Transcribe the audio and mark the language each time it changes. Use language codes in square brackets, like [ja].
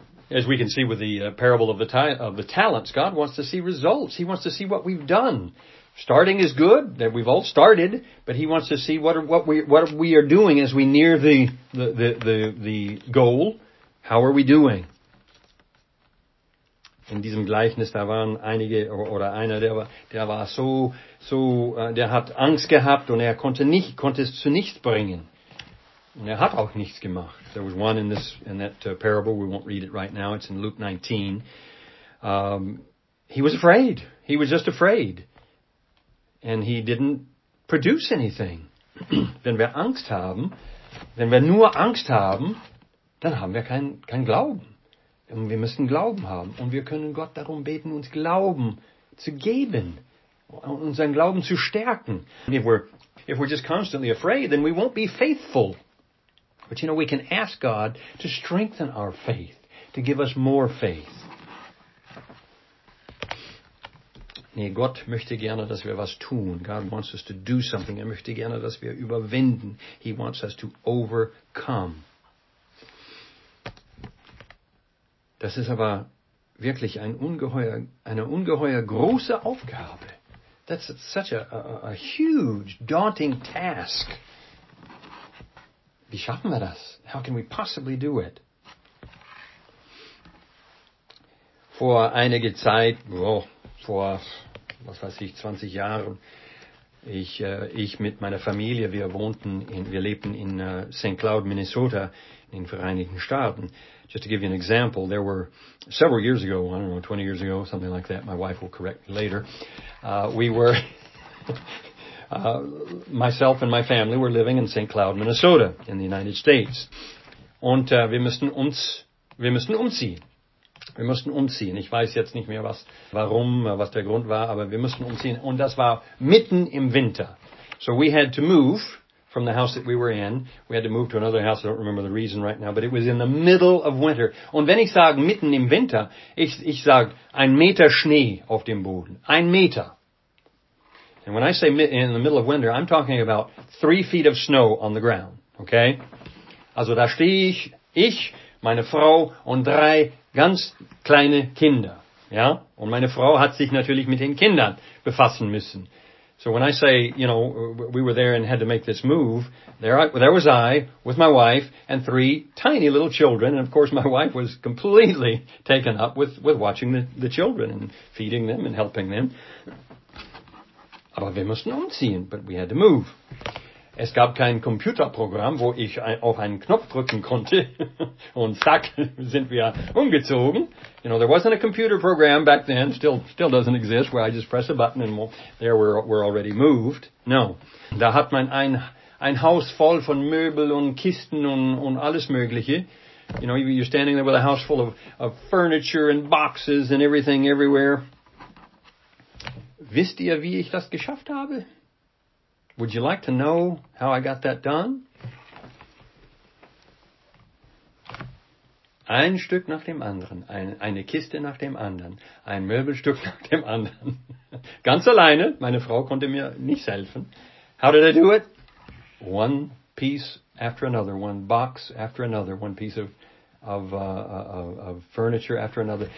[en] As we can see with the parable of the talents, God wants to see results. He wants to see what we've done. Starting is good, that we've all started, but he wants to see what we are doing as we near the goal. How are we doing? [de] In diesem Gleichnis, da waren einige, oder einer, der hat Angst gehabt und konnte es zu nichts bringen. Und hat auch nichts gemacht. [en] There was one in that parable, we won't read it right now, it's in Luke 19. He was afraid. He was just afraid. And he didn't produce anything. [de] wenn wir nur Angst haben, dann haben wir kein Glauben. Und wir müssen Glauben haben. Und wir können Gott darum beten, uns Glauben zu geben. Unseren Glauben zu stärken. [en] If we're just constantly afraid, then we won't be faithful. But you know, we can ask God to strengthen our faith. To give us more faith. [de] Nee, Gott möchte gerne, dass wir was tun. [en] God wants us to do something. [de] Er möchte gerne, dass wir überwinden. [en] He wants us to overcome. [de] Das ist aber wirklich eine ungeheuer große Aufgabe. [en] That's such a huge, daunting task. [de] Wie schaffen wir das? [en] How can we possibly do it? [de] Vor einige Zeit, vor, was weiß ich, 20 Jahren, ich mit meiner Familie, wir lebten in St. Cloud, Minnesota, in den Vereinigten Staaten. [en] Just to give you an example, there were several years ago, I don't know, 20 years ago, something like that, my wife will correct me later, myself and my family were living in St. [de] Cloud, Minnesota, [en] in the United States. [de] Und wir mussten umziehen. Wir mussten umziehen. Ich weiß jetzt nicht mehr, was der Grund war, aber wir mussten umziehen. Und das war mitten im Winter. [en] So we had to move from the house that we were in. We had to move to another house. I don't remember the reason right now, but it was in the middle of winter. [de] Und wenn ich sage mitten im Winter, ich sage ein Meter Schnee auf dem Boden. Ein Meter. [en] And when I say in the middle of winter, I'm talking about 3 feet of snow on the ground. Okay? [de] Also da stehe ich, meine Frau und drei ganz kleine Kinder, ja? Und meine Frau hat sich natürlich mit den Kindern befassen müssen. [en] So when I say, you know, we were there and had to make this move, there was I with my wife and three tiny little children. And of course, my wife was completely taken up with watching the children and feeding them and helping them. [de] Aber wir mussten umziehen, [en] but we had to move. [de] Es gab kein Computerprogramm, wo ich auf einen Knopf drücken konnte und zack, sind wir umgezogen. [en] You know, there wasn't a computer program back then, still doesn't exist, where I just press a button and there we're already moved. [de] No, da hat man ein Haus voll von Möbel und Kisten und alles Mögliche. [en] You know, you're standing there with a house full of furniture and boxes and everything everywhere. [de] Wisst ihr, wie ich das geschafft habe? [en] Would you like to know how I got that done? [de] Ein Stück nach dem anderen, eine Kiste nach dem anderen, ein Möbelstück nach dem anderen. Ganz alleine, meine Frau konnte mir nicht helfen. [en] How did I do it? One piece after another, one box after another, one piece of furniture after another.